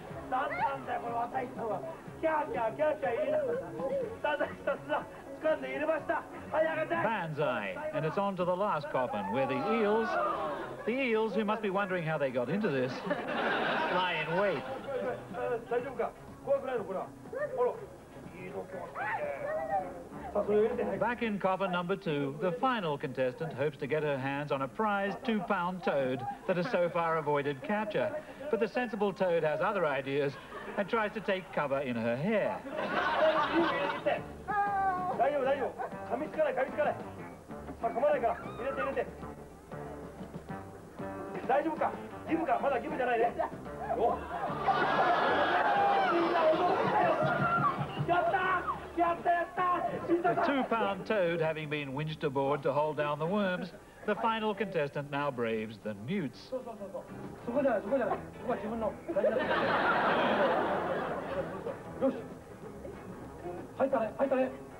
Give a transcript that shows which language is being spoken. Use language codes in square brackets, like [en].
[ja] なんなんだよ、この若い人は。キャーキャー、キャーキャー言いながら。ただひたすら。 [en] Banzai, and it's on to the last coffin, where the eels, who must be wondering how they got into this, lie in wait. Back in coffin number two, the final contestant hopes to get her hands on a prize 2-pound toad that has so far avoided capture. But the sensible toad has other ideas and tries to take cover in her hair. [ja] 大丈夫大丈夫、噛みつかない噛みつかない、まあ、噛まないから、入れて入れて、大丈夫か、義務か、まだ義務じゃないね。お、みんな踊ったよ、やったやったやった。 [en] The 2-pound toad having been winched aboard to hold down the worms, the final contestant now braves the newts. [ja] そうそうそう、そこじゃない、そこじゃない、そこは自分の大事だ。よし、入ったね、入ったね、